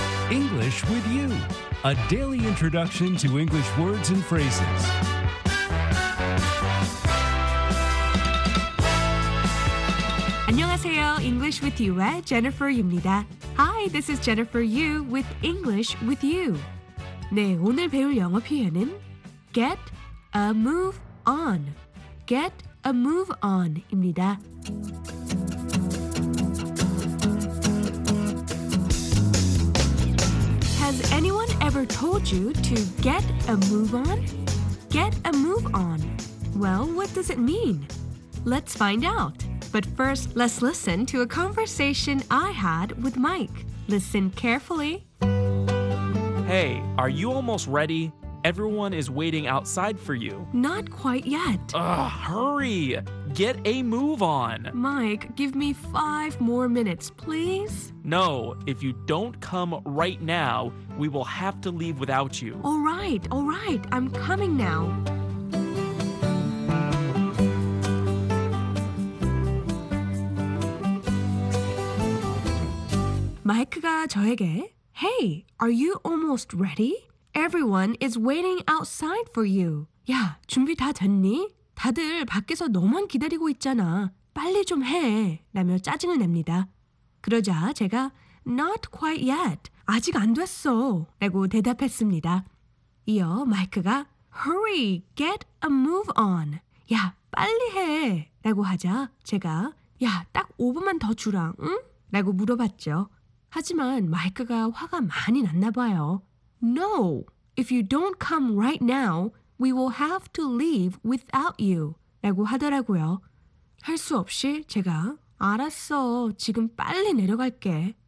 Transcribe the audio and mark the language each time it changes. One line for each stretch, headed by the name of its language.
English: English with you, a daily introduction to English words and phrases. English with you, Jennifer 입니다. Hi, this is Jennifer Yu with English with you.
Korean: 네, 오늘 배울 영어 표현은
English: get a move on. Get a move on 입니다. 안yone ever told you to get a move on? Get a move on. Well, what does it mean? Let's find out. But first, let's listen to a conversation I had with Mike. Listen carefully. Hey, are you almost ready? Everyone is waiting outside for you. Not quite yet. Hurry! Get a move on! Mike, give me 5 more minutes, please? No, if you don't come right now, we will have to leave without you. All right, I'm coming now.
Korean: 마이크가 저에게,
English: Hey, are you almost ready? Everyone is waiting outside for you.
Korean: 야, 준비 다 됐니? 다들 밖에서 너만 기다리고 있잖아. 빨리 좀 해. 라며 짜증을 냅니다. 그러자 제가
English: Not quite yet.
Korean: 아직 안 됐어. 라고 대답했습니다. 이어 마이크가
English: Hurry, get a move on.
Korean: 야, 빨리 해. 라고 하자 제가 야, 딱 5분만 더 주라. 응? 라고 물어봤죠. 하지만 마이크가 화가 많이 났나 봐요.
English: No, if you don't come right now, we will have to leave without you.
Korean: 라고 하더라고요. 할 수 없이 제가 알았어, 지금 빨리 내려갈게.